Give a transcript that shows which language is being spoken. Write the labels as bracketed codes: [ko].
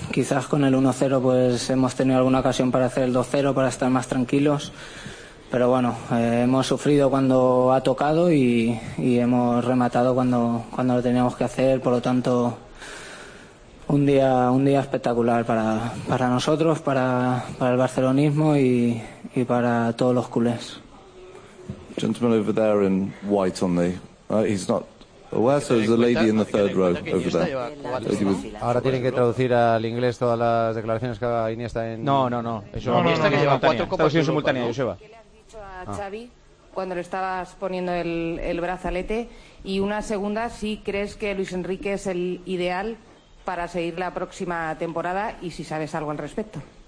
[es] Quizás con el 1-0 pues hemos tenido alguna ocasión para hacer el 2-0 para estar más tranquilos, pero bueno, hemos sufrido cuando ha tocado y hemos rematado cuando lo teníamos que hacer. Por lo tanto, un día espectacular para nosotros, para el barcelonismo y para todos los culés. [en] Gentleman over there in white on the he's not aware, so is the lady in the third row over there. [es] Ahora tienen que traducir al inglés todas las declaraciones que haga Iniesta en No. Eso no, Iniesta que lleva cuatro copas en simultánea, Joseba. ¿Qué le has dicho a Xavi cuando le estabas poniendo el brazalete? Y una segunda, si crees que Luis Enrique es el ideal para seguir la próxima temporada y si sabes algo al respecto.